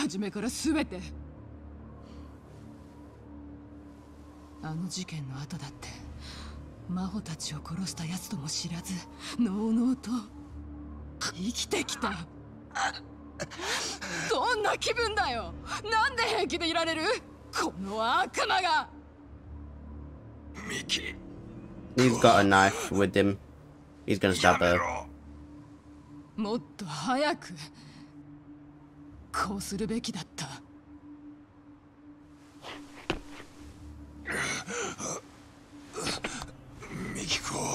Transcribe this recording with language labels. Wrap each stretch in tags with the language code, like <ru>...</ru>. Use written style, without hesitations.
<ja>から全てあの事件の後だって真帆たちを殺した奴とも知らずのうのうと生きてきたどんな気分だよなんで平気でいられるこの悪魔がミキ</ja> <en>He's got a knife with him He's gonna stab her</en> <ja>もっと早くこうするべきだった。ミキコ。</ja>